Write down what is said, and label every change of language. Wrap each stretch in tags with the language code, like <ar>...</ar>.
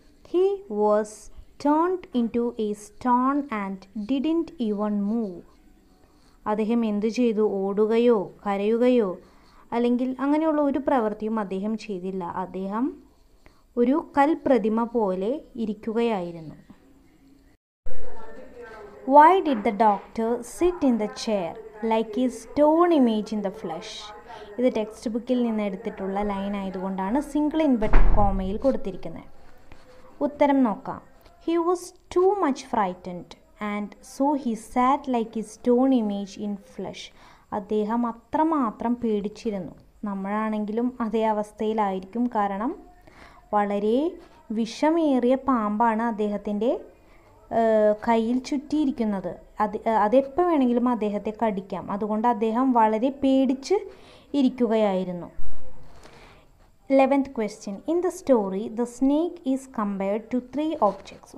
<en>He was turned into a stone and didn't even move.</en> <ml>അദ്ദേഹം എന്ത് ചെയ്തു? ഓടുകയോ കരയുകയോ അല്ലെങ്കിൽ അങ്ങനെയുള്ള ഒരു പ്രവൃത്തിയും അദ്ദേഹം ചെയ്തില്ല. അദ്ദേഹം ഒരു കൽപ്രതിമ പോലെ ഇരിക്കുകയായിരുന്നു.</ml> <en>Why did the doctor sit in the chair like a stone image in the flesh?</en> <ml>ഇത് ടെക്സ്റ്റ് ബുക്കിൽ നിന്ന് എടുത്തിട്ടുള്ള ലൈൻ ആയതുകൊണ്ടാണ് സിംഗിൾ ഇൻവെർട്ടഡ് കോമയിൽ കൊടുത്തിരിക്കുന്നത്. ഉത്തരം നോക്കാം.</ml> <en>He was too much frightened and so he sat like a stone image in flush.</en> <ml>അദ്ദേഹം അത്രമാത്രം പേടിച്ചിരുന്നു. നമ്മളാണെങ്കിലും അതേ അവസ്ഥയിലായിരിക്കും. കാരണം വളരെ വിഷമേറിയ പാമ്പാണ് അദ്ദേഹത്തിൻ്റെ കയ്യിൽ ചുറ്റിയിരിക്കുന്നത്. അതെപ്പോൾ വേണമെങ്കിലും അദ്ദേഹത്തെ കടിക്കാം. അതുകൊണ്ട് അദ്ദേഹം വളരെ പേടിച്ച് ഇരിക്കുകയായിരുന്നു.</ml> <en>11th question. In the story, the snake is compared to three objects.</en>